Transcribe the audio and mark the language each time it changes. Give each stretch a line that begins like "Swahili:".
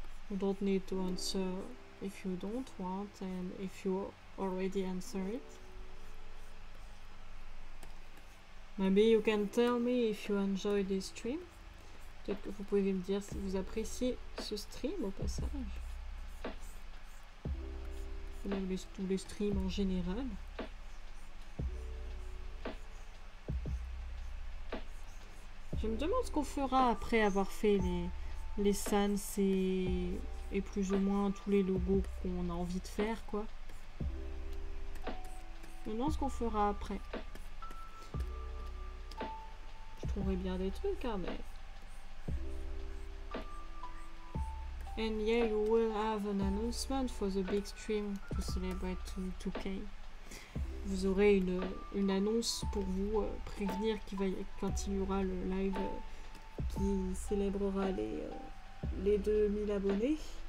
English: You don't need to answer if you don't want and if you already answer it. Maybe you can tell me if you enjoy this stream.
French: Peut-être que vous pouvez me dire si vous appréciez ce stream au passage. Ou tous les streams en général. Je me demande ce qu'on fera après avoir fait les sans et plus ou moins tous les logos qu'on a envie de faire, quoi. Je me demande ce qu'on fera après. Je trouverai bien des trucs, hein, mais.
English: And yeah, you will have an announcement for the big stream to celebrate 2K.
French: Vous aurez une annonce pour vous prévenir quand il y aura le live qui célébrera les 2000 abonnés.